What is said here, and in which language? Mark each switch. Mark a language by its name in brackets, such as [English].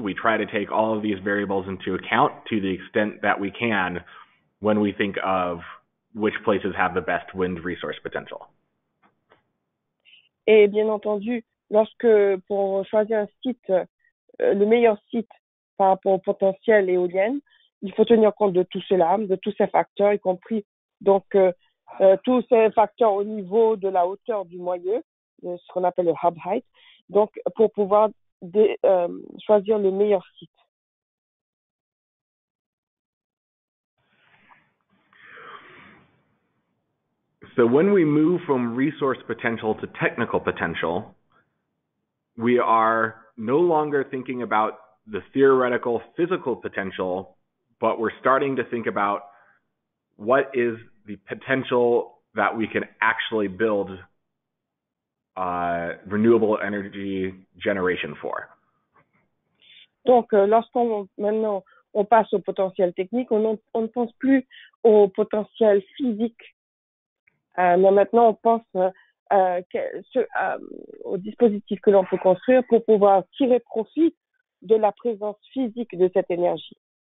[English] We try to take all of these variables into account to the extent that we can when we think of which places have the best wind resource potential. [French] Et bien entendu, lorsque pour choisir un site, le meilleur site par rapport au potentiel éolien, il faut tenir compte de tout cela, de tous ces facteurs, y compris donc tous ces facteurs au niveau de la hauteur du moyeu, ce qu'on appelle le hub height. Donc, pour pouvoir choisir le meilleur site. [English] So when we move from resource potential to technical potential, we are no longer thinking about the theoretical physical potential, but we're starting to think about what is the potential that we can actually build renewable energy generation for. [French] Donc, lorsqu'on maintenant on passe au potentiel technique, on ne pense plus au potentiel physique, mais maintenant on pense au dispositif que l'on peut construire pour pouvoir tirer profit de la présence physique de cette énergie.